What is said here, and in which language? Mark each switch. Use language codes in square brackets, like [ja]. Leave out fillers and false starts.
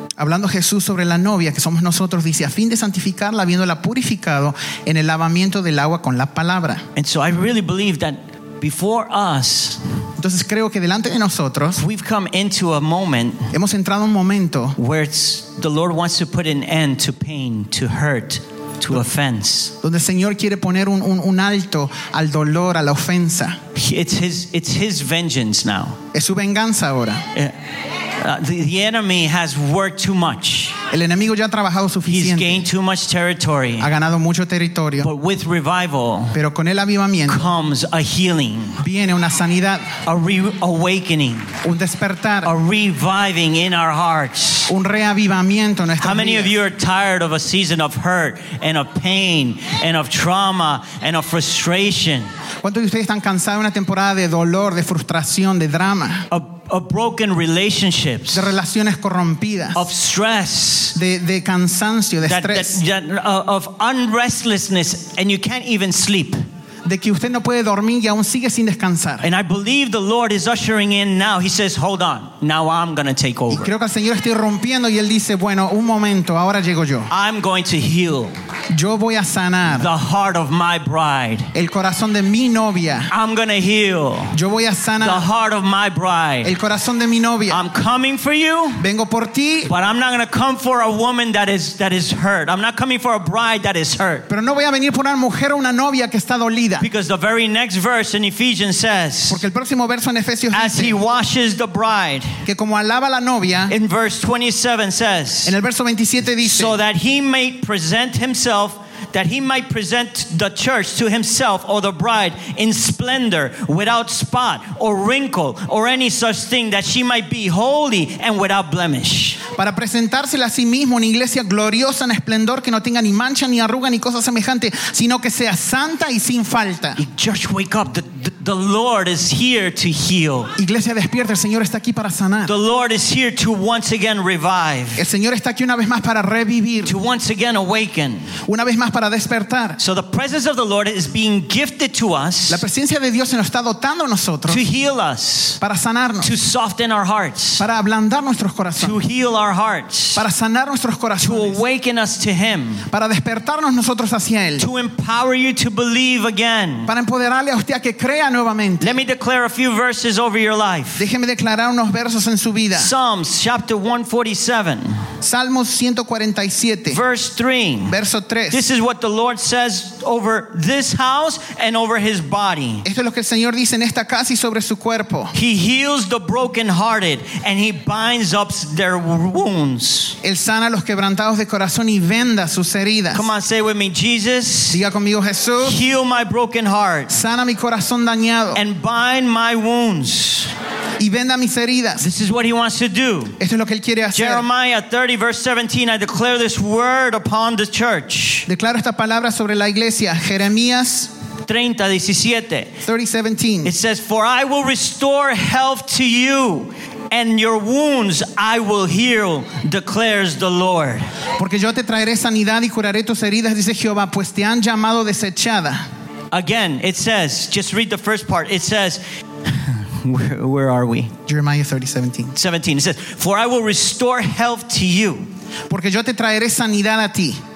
[es] Hablando Jesús sobre la novia que somos nosotros, dice, a fin de santificarla, habiéndola purificado en el lavamiento del agua con la palabra. [en] And so I really believe that before us, [es] entonces creo que delante de nosotros, [en] we've come into a moment, [es] hemos entrado un momento, [en] where it's, the Lord wants to put an end to pain, to hurt, to offense. [es] Donde el Señor quiere poner un alto al dolor, a la ofensa. [en] It's his vengeance now. [es] Es su venganza ahora. [en] The enemy has worked too much. [es] El enemigo ya ha trabajado suficiente. [en] He's gained too much territory. [es] Ha ganado mucho territorio. [en] But with revival, [es] pero con el avivamiento, [en] comes a healing. [es] Viene una sanidad. [en] A reawakening. [es] Un despertar. [en] A reviving in our hearts. [es] Un reavivamiento en nuestras vidas. [en] How many [es] vidas? [en] Of you are tired of a season of hurt and of pain and of trauma and of frustration? [es] ¿Cuántos de ustedes están cansados de una temporada de dolor, de frustración, de drama? [en] Of broken relationships, [es] de relaciones corrompidas, [en] of stress, [es] de cansancio, de estrés, [en] of unrestlessness, and you can't even sleep. [es] De que usted no puede dormir y aún sigue sin descansar. [en] And I believe the Lord is ushering in now. He says, "Hold on. Now I'm going to take over." [es] Y creo que el Señor está rompiendo y él dice, "Bueno, un momento, ahora llego yo." [en] I'm going to heal. [es] Yo voy a sanar. [en] The heart of my bride. [es] El corazón de mi novia. [en] I'm going to heal. [es] Yo voy a sanar. [en] The heart of my bride. [es] El corazón de mi novia. [en] I'm coming for you. [es] Vengo por ti. [en] But I'm not going to come for a woman that is hurt. I'm not coming for a bride that is hurt. [es] Pero no voy a venir por una mujer o una novia que está dolida. [en] Because the very next verse in Ephesians says, [es] porque el próximo verso en Efesios [en] as [es] dice, [en] he washes the bride, [es] que como alaba la novia, [en] in verse 27 says, [es] en el verso 27 dice, [en] so that he may present himself, that he might present the church to himself or the bride in splendor, without spot or wrinkle or any such thing, that she might be holy and without blemish. [es] Para presentársela a sí mismo una iglesia gloriosa en esplendor, que no tenga ni mancha ni arruga ni cosa semejante, sino que sea santa y sin falta. [en] Church, wake up. The Lord is here to heal. [es] Iglesia, despierta. El Señor está aquí para sanar. [en] The Lord is here to once again revive. [es] El Señor está aquí una vez más para revivir. [en] To once again awaken. [es] Una vez más para despertar. [en] So the presence of the Lord is being gifted to us. [es] La presencia de Dios se nos está dotando a nosotros. [en] To heal us. [es] Para sanarnos. [en] To soften our hearts. [es] Para ablandar nuestros corazones. [en] To heal our hearts. [es] Para sanar nuestros corazones. [en] To awaken us to Him. [es] Para despertarnos nosotros hacia Él. [en] To empower you to believe again. [es] Para empoderarle a usted a que crea. Nuevamente. [en] Let me declare a few verses over your life. [es] Déjeme declarar unos versos en su vida. [en] Psalms chapter 147. [es] Salmos 147. [en] Verse 3. [es] Verso 3. [en] This is what the Lord says over this house and over his body. [es] Esto es lo que el Señor dice en esta casa y sobre su cuerpo. [en] He heals the brokenhearted and he binds up their wounds. [es] Él sana los quebrantados de corazón y venda sus heridas. [en] Come on, say with me, Jesus. [es] Diga conmigo, Jesús. [en] Heal my broken heart. [es] Sana mi corazón. [en] And bind my wounds. [es] Y venda mis heridas. [en] This is what he wants to do. [es] Esto es lo que él quiere hacer. [en] Jeremiah 30 verse 17, I declare this word upon the church. [es] Declaro esta palabra sobre la iglesia. Jeremías 30:17. [en] It says, for I will restore health to you, and your wounds I will heal, declares the Lord. [es] Porque yo te traeré sanidad y curaré tus heridas, dice Jehová, pues te han llamado desechada. [en] Again, it says, just read the first part. It says, where are we? Jeremiah 30:17. It says, for I will restore health to you. [es] Porque yo te traeré sanidad a ti.